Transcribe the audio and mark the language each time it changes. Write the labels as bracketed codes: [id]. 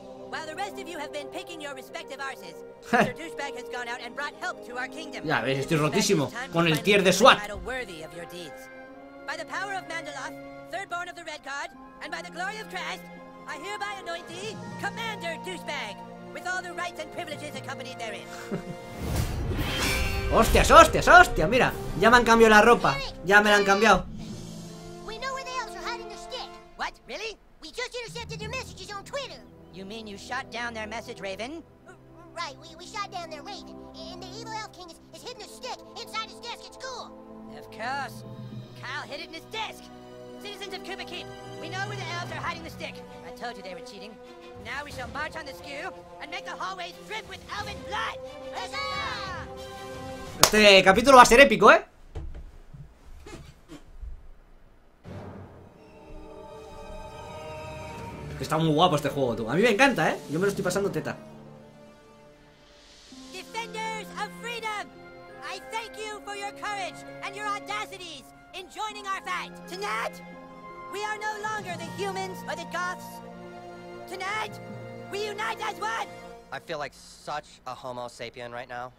[en] While the rest of you have been picking your respective arses, Sir Douchebag has gone out and brought help to our kingdom. [es] Ya ves, estoy rotísimo con el tier de SWAT. [en] By the power of Mandaloth, third born of the Red Guard, and by the glory of Christ, I hereby anoint thee Commander Douchebag, with all the rights and privileges accompanied therein. [es] Hostias, hostias, hostias, mira, ya me han cambiado la ropa, ya me la han cambiado. [en] We know where the elves are hiding the stick. What? Really? We just intercepted their messages on Twitter. You mean you shot down their message, Raven? Right, we shot down their Raven. And the evil elf king is hidden a stick inside his desk at school. Of course. Kyle hid it in his desk. Citizens of Koopa Keep, we know where the elves are hiding the stick. I told you they were cheating. Now we shall march on the skew and make the hallways drip with elven blood. Huzzah! [es] Este capítulo va a ser épico, ¿eh? Está muy guapo este juego, tú. A mí me encanta, ¿eh? Yo me lo estoy pasando teta. [en] Defenders of freedom, I thank you for your courage and your audacities in joining our fight. Tonight, we are no longer the humans or the Goths. Tonight, we unite as one. I feel like such a Homo sapien right now.